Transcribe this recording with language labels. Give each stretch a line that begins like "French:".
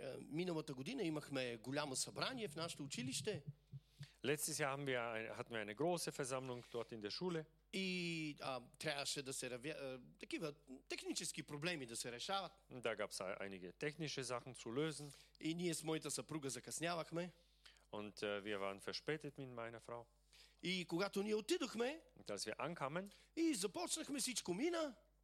Bulgarian: Миналата година имахме голямо събрание в нашето училище.
German: Letztes Jahr haben wir hatten wir eine große Versammlung dort in der Schule.
Bulgarian: И трябваше да се такива технически проблеми да се решават.
German: Da gab's einige technische Sachen zu lösen.
Bulgarian: И ние с моята съпруга закъснявахме.
German: Und wir waren verspätet mit meiner Frau.
Bulgarian: И когато ние отидохме,
German: als wir ankamen,
Bulgarian: и започнахме всичко мина.